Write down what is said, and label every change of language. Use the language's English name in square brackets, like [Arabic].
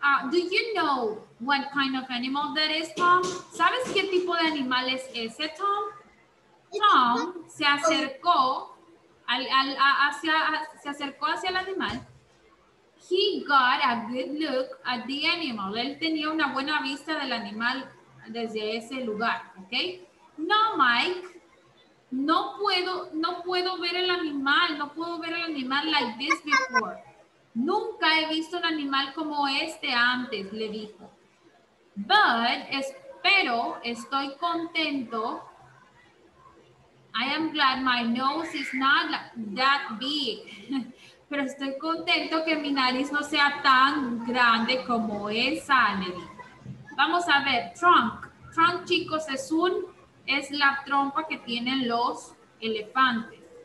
[English] Do you know what kind of animal that is, Tom? [Spanish] ¿Sabes qué tipo de animal es ese, Tom? Tom se acercó hacia el animal. [English] He got a good look at the animal. [Spanish] Él tenía una buena vista del animal desde ese lugar, ¿ok? No, Mike, no puedo ver el animal. No puedo ver el animal [English] like this before. [Spanish] Nunca he visto un animal como este antes, le dijo. But, espero, estoy contento. [English] I am glad my nose is not that big. [Spanish] Pero estoy contento que mi nariz no sea tan grande como esa, le dijo. Vamos a ver, trunk. Trunk, chicos, es la trompa que tienen los elefantes.